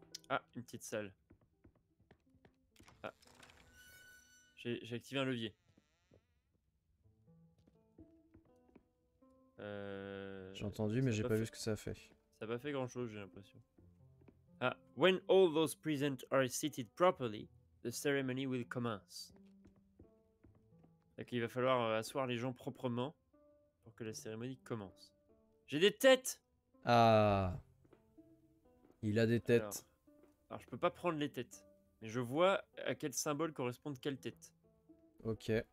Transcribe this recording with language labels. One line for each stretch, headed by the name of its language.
French: Ah, une petite salle. Ah. J'ai activé un levier. J'ai entendu, mais j'ai pas vu ce que ça a fait. Ça a pas fait grand-chose, j'ai l'impression.
English: When all those present are seated properly, the ceremony will commence.
French: Donc il va falloir asseoir les gens proprement pour que la cérémonie commence. J'ai des têtes! Ah. Il a des têtes. Alors, je peux pas prendre les têtes. Mais je vois à quel symbole correspondent quelles têtes. Ok.